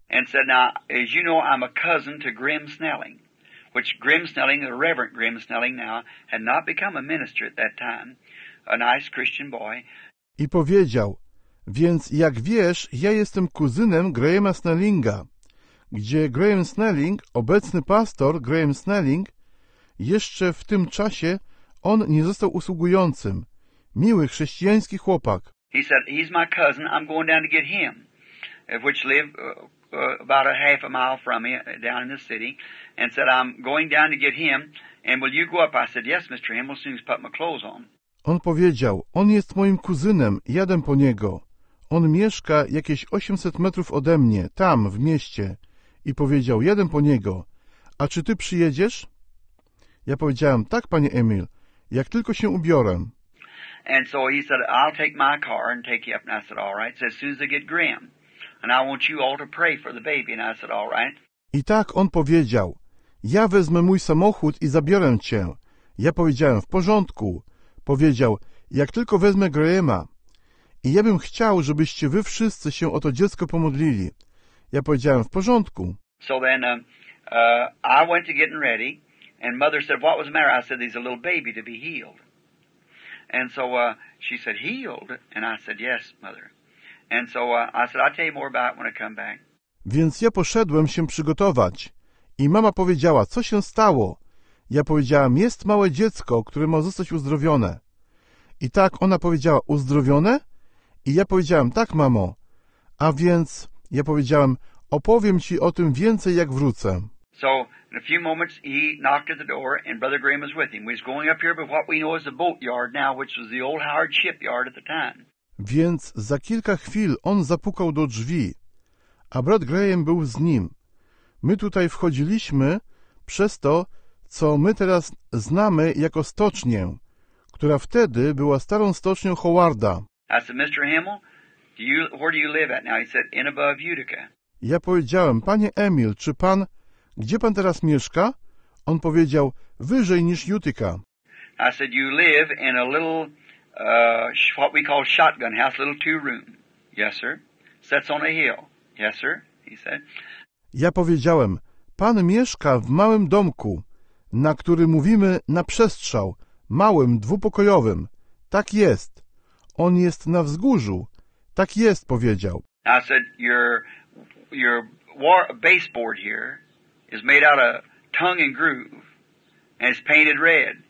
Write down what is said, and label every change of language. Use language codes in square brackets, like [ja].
[en] And said, now, as you know, I'm a cousin to Grim Snelling, which Grim Snelling, the Reverend Grim Snelling now, had not become a minister at that time, a nice Christian boy. [pl] I powiedział, więc jak wiesz, ja jestem kuzynem Grahama Snellinga, gdzie Graham Snelling, obecny pastor Graham Snelling, jeszcze w tym czasie on nie został usługującym. Miły chrześcijański chłopak. [en] He said, he's my cousin, I'm going down to get him, which live about a half a mile from me, down in the city, and said, I'm going down to get him, and will you go up? I said, yes, Mr. Hamill, as soon as put my clothes on. [pl] On powiedział, on jest moim kuzynem, jadę po niego. On mieszka jakieś 800 metrów ode mnie, tam, w mieście. I powiedział, jadę po niego. A czy ty przyjedziesz? Ja powiedziałem, tak, panie Emil, jak tylko się ubiorę. [en] And so he said, I'll take my car and take you up. And I said, all right. So as soon as I get Graham, and I want you all to pray for the baby. And I said, all right. [pl] I tak on powiedział, ja wezmę mój samochód i zabiorę cię. Ja powiedziałem, w porządku. Powiedział, jak tylko wezmę Grahama. I ja bym chciał, żebyście wy wszyscy się o to dziecko pomodlili. Ja powiedziałem, w porządku. [en] So then I went to getting ready, and mother said, what was the matter? I said, there's a little baby to be healed. And so she said, healed? And I said, yes, mother. And so I said, I'll tell you more about it when I come back. [pl] Więc ja poszedłem się przygotować. I mama powiedziała, co się stało? Ja powiedziałem, jest małe dziecko, które ma zostać uzdrowione. I tak ona powiedziała, uzdrowione? I ja powiedziałem, tak, mamo. A więc ja powiedziałem, opowiem ci o tym więcej, jak wrócę. [en] So, in a few moments, he knocked at the door, and Brother Graham was with him. He was going up here, but what we know is the boatyard now, which was the old Howard shipyard at the time. [pl] Więc za kilka chwil on zapukał do drzwi, a brat Graham był z nim. My tutaj wchodziliśmy przez to, co my teraz znamy jako stocznię, która wtedy była starą stocznią Howarda. [en] I said, Mr. Hamill, where do you live at now? He said, in above Utica. [pl] Ja powiedziałem, panie Emil, czy pan, gdzie pan teraz mieszka? On powiedział, wyżej niż Utica. [en] I said, you live in a little, what we call shotgun house, little two-room. Yes, sir. Sets on a hill. Yes, sir, he said. [pl] Ja powiedziałem, pan mieszka w małym domku, na który mówimy na przestrzał, małym, dwupokojowym. Tak jest. On jest na wzgórzu. Tak jest, powiedział. [en] I said, your war baseboard here is made out of tongue and groove and it's painted red.